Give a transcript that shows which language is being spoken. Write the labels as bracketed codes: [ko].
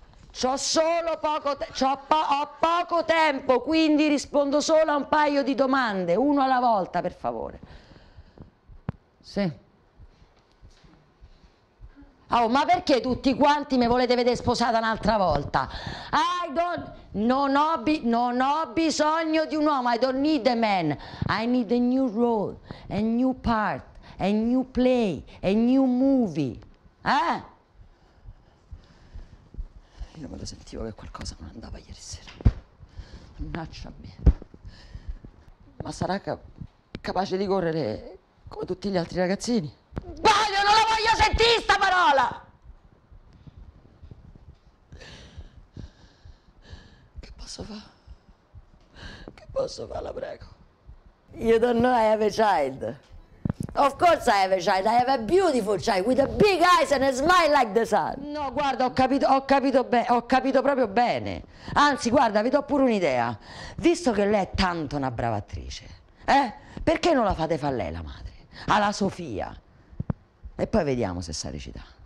[it] C'ho solo poco tempo, ho poco tempo, quindi rispondo solo a un paio di domande, uno alla volta, per favore. Sì. Oh, ma perché tutti quanti mi volete vedere sposata un'altra volta? Non ho bisogno di un uomo. [en] I don't need a man. I need a new role, a new part, a new play, a new movie. [it] Io me lo sentivo che qualcosa non andava ieri sera. Mannaggia me. Ma sarà capace di correre come tutti gli altri ragazzini? Sbaglio, non la voglio sentire sta parola! Che posso fare? Che posso fare, la prego? [en] You don't know I have a child. Of course I have a child, I have a beautiful child with a big eyes and a smile like the sun. [it] No, guarda, ho capito proprio bene. Anzi, guarda, vi do pure un'idea. Visto che lei è tanto una brava attrice, perché non la fate fare lei la madre? Alla Sofia. E poi vediamo se sa recitare.